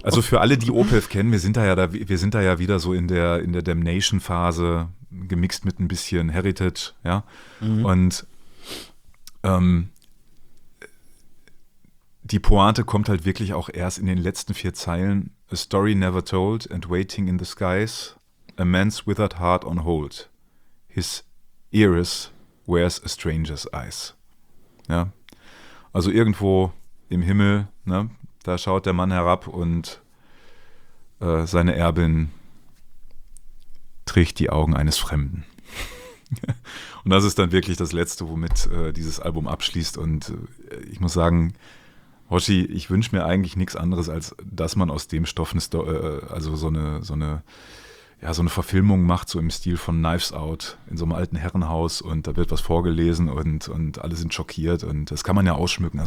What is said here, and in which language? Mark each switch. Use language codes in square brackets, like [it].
[de] Also für alle, die Opeth kennen, wir sind da ja wieder so in der Damnation-Phase, gemixt mit ein bisschen Heritage, ja. Mhm. Und die Pointe kommt halt wirklich auch erst in den letzten vier Zeilen. [en] A story never told and waiting in the skies. A man's withered heart on hold. His Iris wears a stranger's eyes. [de] Ja. Also irgendwo im Himmel, ne, da schaut der Mann herab und seine Erbin trägt die Augen eines Fremden. Und das ist dann wirklich das Letzte, womit dieses Album abschließt. Und ich muss sagen, Hoshi, ich wünsche mir eigentlich nichts anderes, als dass man aus dem Stoff so eine Verfilmung macht, so im Stil von Knives Out, in so einem alten Herrenhaus, und da wird was vorgelesen und alle sind schockiert, und das kann man ja ausschmücken.